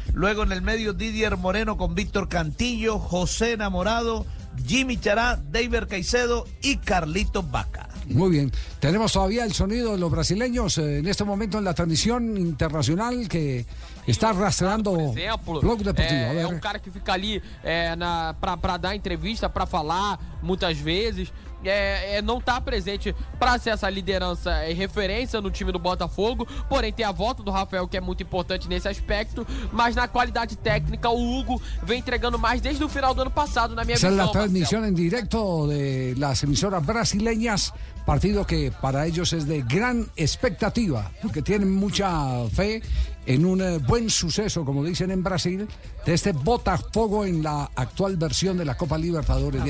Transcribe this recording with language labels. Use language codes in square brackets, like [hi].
[es] Luego en el medio, Didier Moreno con Víctor Cantillo, José Enamorado, Jimmy Chará, David Caicedo y Carlitos Vaca. Muy bien, tenemos todavía el sonido de los brasileños en este momento en la transmisión internacional que está rastreando o Blog Deportivo. [pt] É um cara que fica ali para dar entrevista, para falar muitas vezes. Não está presente para ser essa liderança e referência no time do Botafogo, porém tem a volta do Rafael, que é muito importante nesse aspecto, mas na qualidade técnica o Hugo vem entregando mais desde o final do ano passado, na minha visão. Essa é a transmissão em directo [es] de las emissoras brasileñas, partido que para ellos es de gran expectativa, porque tienen mucha fe en un buen suceso, como dicen en Brasil, de este Botafogo en la actual versión de la Copa Libertadores.